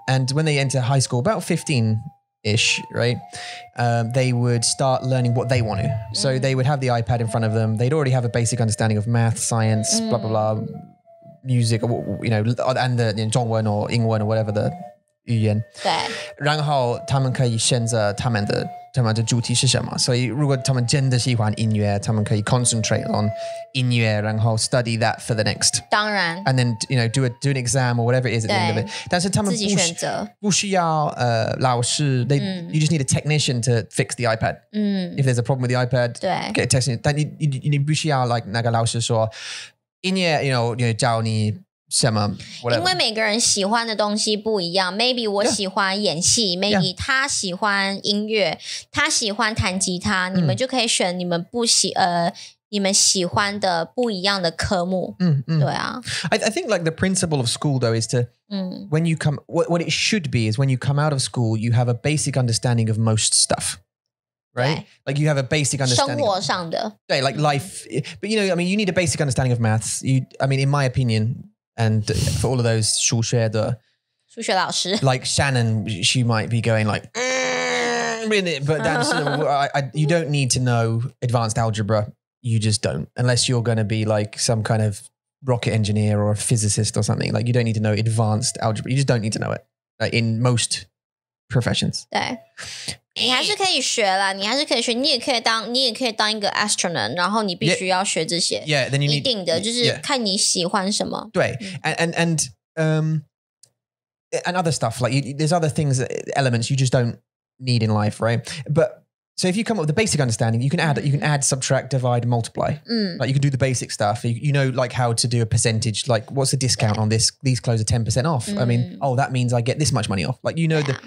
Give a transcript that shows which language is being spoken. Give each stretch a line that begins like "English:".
English: And when they enter high school, about 15-ish, right? They would start learning what they want to. So they would have the iPad in front of them. They'd already have a basic understanding of math, science, blah, blah, blah, music, you know, and the 中文 or 英文 or whatever the 语言。
Chinese: 对。然后他们可以选择他们的主题是什么。所以如果他们真的喜欢音乐他们可以
English: concentrate on
Chinese: 音乐然后
English: study that for the next.
Chinese: 当然。
English: And then, you know, do an exam or whatever it is at the end of it.
Chinese: 但是他们不需要老师
English: you just need a technician to fix the iPad. If there's a problem with the iPad,
Chinese: 对
English: get a technician.
Chinese: 但你不需要
English: like
Chinese: 那个老师说音乐
English: you know,
Chinese: 教你什么
English: whatever.
Chinese: 因为每个人喜欢的东西不一样 maybe 我喜欢演戏
English: yeah. maybe yeah.
Chinese: 他喜欢音乐他喜欢弹吉他、mm. 你们就可以选你们不喜你们喜欢的不一样的科目、 mm-hmm. 对啊
English: I think like the principle of school though is to、mm. when you come what it should be is when you come out of school you have a basic understanding of most stuffRight? Like you have a basic understanding.
Chinese: 生活上的。
English: 对, like life. But you know, I mean, you need a basic understanding of maths. In my opinion, and for all of those
Chinese: 数学的。数学老师。
English: Like Shannon, she might be going like, but that's sort of, you don't need to know advanced algebra. You just don't. Unless you're going to be like some kind of rocket engineer or a physicist or something. Like you don't need to know advanced algebra. You just don't need to know it. Like, in most professions.
Chinese: 对。你还是可以学啦你还是可以学你也可以当一个 astronaut 然后你必须要学这些
English: yeah, yeah, then you need,
Chinese: 一定的就是看你喜欢什么
English: 对、嗯、and other stuff like you, there's other things elements you just don't need in life right but so if you come up with the basic understanding you can add subtract divide multiply、嗯、 like you can do the basic stuff you know like how to do a percentage like what's the discount on this these clothes are 10% off、嗯、I mean oh that means I get this much money off like you know、yeah.